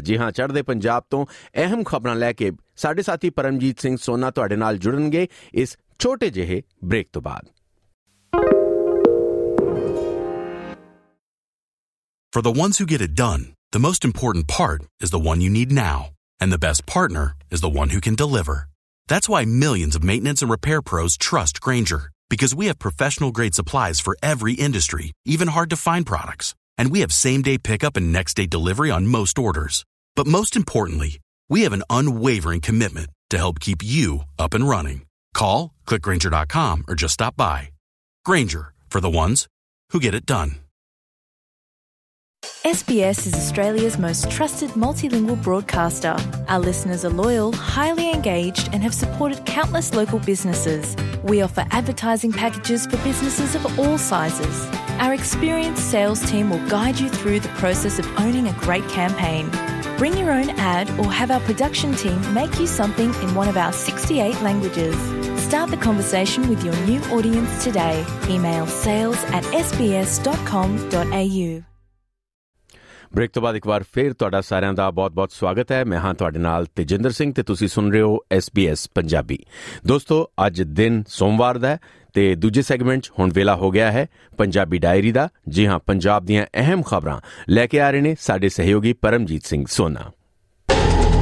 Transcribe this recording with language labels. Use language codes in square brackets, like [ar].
[pa] ਜੀ ਹਾਂ, ਚੜ੍ਹਦੇ ਪੰਜਾਬ ਤੋਂ ਅਹਿਮ ਖਬਰਾਂ ਲੈ ਕੇ ਸਾਡੇ ਸਾਥੀ ਪਰਮਜੀਤ ਸਿੰਘ ਸੋਨਾ ਤੁਹਾਡੇ ਨਾਲ ਜੁੜਨਗੇ ਇਸ ਛੋਟੇ ਜਿਹੇ ਬ੍ਰੇਕ ਤੋਂ ਬਾਅਦ। [en] For the ones who get it done, the most important part is the one you need now. And the best partner is the one who can deliver. That's why millions of maintenance and repair pros trust Grainger, because we have professional-grade supplies for every industry, even hard-to-find products. And we have same-day pickup and next-day delivery on most orders. But most importantly, we have an unwavering commitment to help keep you up and running. Call, click Grainger.com, or just stop by. Grainger, for the ones who get it done. SBS is Australia's most trusted multilingual broadcaster. Our listeners are loyal, highly engaged, and have supported countless local businesses. We offer advertising packages for businesses of all sizes. Our experienced sales team will guide you through the process of owning a great campaign. Bring your own ad or have our production team make you something in one of our 68 languages. Start the conversation with your new audience today. Email sales@sbs.com.au. [pa] Break ਤੋਂ ਬਾਅਦ ਇੱਕ ਵਾਰ ਫਿਰ ਤੁਹਾਡਾ ਸਾਰਿਆਂ ਦਾ ਬਹੁਤ ਬਹੁਤ ਸਵਾਗਤ ਹੈ। ਮੈਂ ਹਾਂ ਤੁਹਾਡੇ ਨਾਲ ਤੇਜਿੰਦਰ ਸਿੰਘ ਅਤੇ ਤੁਸੀਂ ਸੁਣ ਰਹੇ ਹੋ SBS ਪੰਜਾਬੀ। ਦੋਸਤੋ, ਅੱਜ ਦਿਨ ਸੋਮਵਾਰ ਦਾ ਹੈ ਅਤੇ ਦੂਜੇ ਸੈਗਮੈਂਟ 'ਚ ਹੁਣ ਵੇਲਾ ਹੋ ਗਿਆ ਹੈ ਪੰਜਾਬੀ ਡਾਇਰੀ ਦਾ। ਜੀ ਹਾਂ, ਪੰਜਾਬ ਦੀਆਂ ਅਹਿਮ ਖਬਰਾਂ ਲੈ ਕੇ ਆ ਰਹੇ ਨੇ ਸਾਡੇ ਸਹਿਯੋਗੀ ਪਰਮਜੀਤ ਸਿੰਘ ਸੋਨਾ।